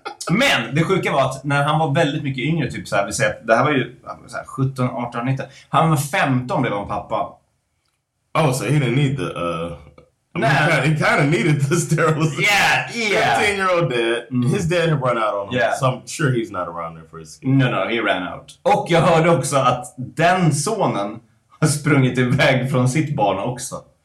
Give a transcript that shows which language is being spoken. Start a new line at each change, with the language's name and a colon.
Swedish: Men det sjuka var att när han var väldigt mycket yngre, typ så här, vi säger, det här var ju så här, 17, 18, 19. Han var 15 blev han pappa.
English: Oh, so he didn't need the... he kind of needed the sterilization. Yeah, yeah. 15-year-old dad. Mm. His dad had run out on him. Yeah. So I'm sure he's not around there for his kid. No, he ran out.
Swedish: Och jag hörde också att den sonen har sprungit iväg från sitt barn också.